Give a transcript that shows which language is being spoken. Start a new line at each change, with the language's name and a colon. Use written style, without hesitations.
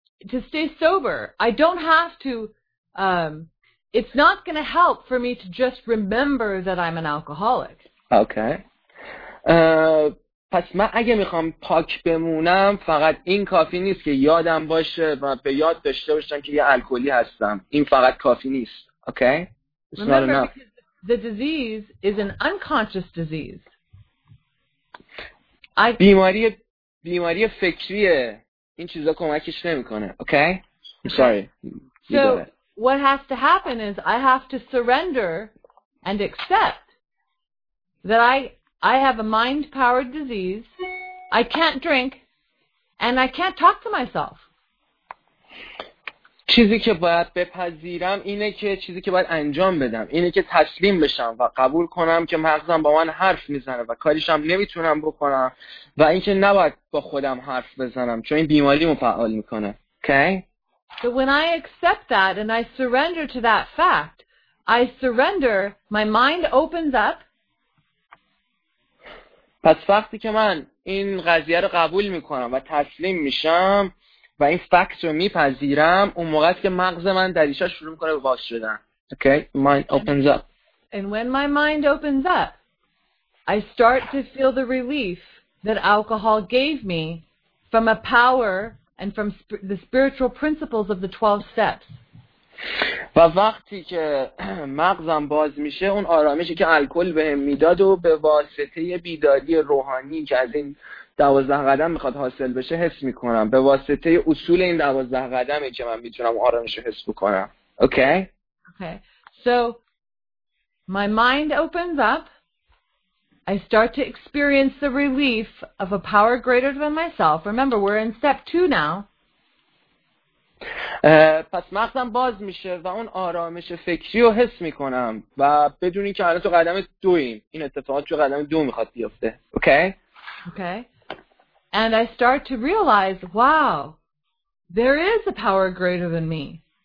English: To stay sober, I don't have to, it's not going to help for me to just remember that I'm an alcoholic. Okay.
Persian: پس من اگه میخوام پاک بمونم فقط این کافی نیست که یادم باشه و به یاد داشته باشم که یه الکلی هستم. این فقط کافی نیست.
English: Okay? It's Remember, not enough. Because the disease is an unconscious disease.
Persian: بیماری فکریه. این چیزا کمکش نمیکنه.
English: Okay? I'm sorry. So what has to happen is I have to surrender and accept that I have a mind-powered disease. I can't drink, and I can't talk to myself.
Persian: چیزی که باید بپذیرم اینه که چیزی که باید انجام بدم اینه که تسلیم بشم و قبول کنم که مغزم با من حرف میزنه و کاریشم نمیتونم بکنم و اینکه نباید با خودم حرف بزنم چون این بیماری رو فعال میکنه.
English: Okay? So when I accept that and I surrender to that fact, I surrender, my mind opens up.
Persian: پس وقتی که من این قضیه رو قبول میکنم و تسلیم میشم و این فکت رو میپذیرم اون موقع است که مغز من دریچه شروع میکنه باز شدن.
English: Okay, mind opens up. And when my mind opens up, I start to feel the relief that alcohol gave me from a power and from the spiritual principles of the 12 steps.
Persian: و وقتی که مغزم باز میشه اون آرامشی که الکل بهم میداد و به واسطه بیداری روحانی که از این 12 قدم میخواد حاصل بشه حس میکنم به واسطه اصول این 12 قدمی که من میتونم آرامش رو حس بکنم.
English: Okay? Okay. So my mind opens up. I start to experience the relief of a power greater than myself. Remember, we're in step 2 now.
Persian: پس مغزم باز میشه و اون آرامش فکری رو حس میکنم و بدون اینکه الان تو قدم 2 ایم این اتفاقات تو قدم 2 میخواد بیفته.
English: Okay? Okay. And I start to realize, wow, there is a power greater than me.